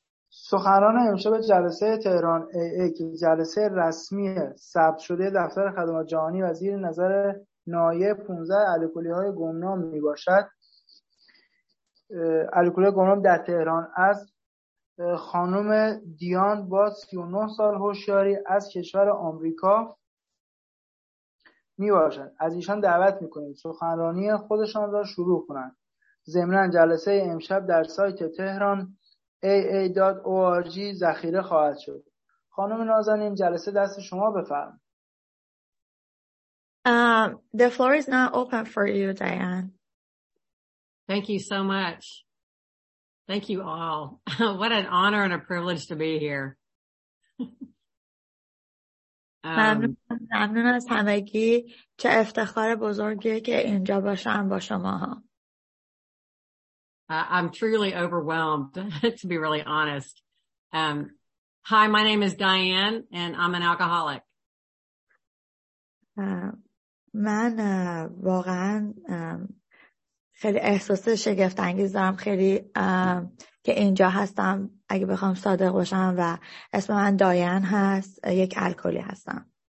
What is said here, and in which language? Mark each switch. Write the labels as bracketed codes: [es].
[fa] سخنران امشب جلسه تهران AA که جلسه رسمی ثبت شده دفتر خدمات جهانی و زیر نظر نایه 15 الکلی های گمنام می باشد، الکلی گمنام در تهران، از خانم دیان با 39 سال هوشیاری از کشور آمریکا می باشد. از ایشان دعوت می کنیم سخنرانی خودشان را شروع کنند. ضمناً جلسه امشب در سایت تهران aa.org ذخیره خواهد شد. خانم نازنین جلسه دست شما، بفرمایید. [en] The floor is not open for you, Diane. Thank you so much. Thank you all. What an honor and a privilege to be here. [fa] ممنون از همگی. چه افتخار بزرگی که اینجا باشم با شماها. [en] I'm truly overwhelmed, to be really honest. Hi, my name is Diane, and I'm an alcoholic. [fa] من واقعا خیلی احساس شگفت انگیز دارم خیلی که اینجا هستم، اگه بخوام صادق باشم، و اسم من دایان هست، یک الکلی هستم.